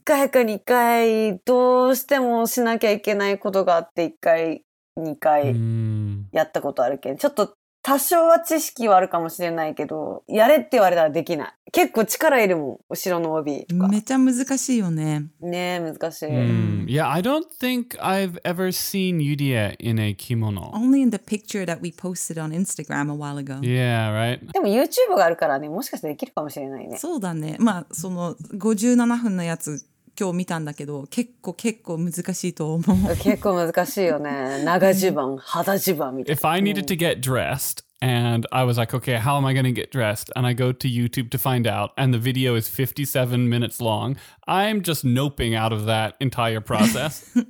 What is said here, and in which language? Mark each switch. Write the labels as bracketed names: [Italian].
[Japanese] 1回か2回、どうしてもしなきゃいけないことがあって、1回、2回、やったことあるけど、ちょっと、多少は知識はあるかもしれないけど、やれって言われたらできない。結構力いるもん、後ろの帯とか。めちゃ難しいよね。ねえ、難しい。 [English] Yeah, I don't think I've ever seen Yuria in a kimono. Only in the picture that we posted on Instagram a while ago. Yeah, right. [Japanese] でも YouTube があるからね、もしかしてできるかもしれないね。そうだね。まあ、その57分のやつ。今日見たんだけど、結構難しいと思う。結構難しいよね。長襦袢、肌襦袢みたいな。 [English] If I needed to get dressed, and I was like, okay, how am I going to get dressed? And I go to YouTube to find out, and the video is 57 minutes long. I'm just noping out of that entire process.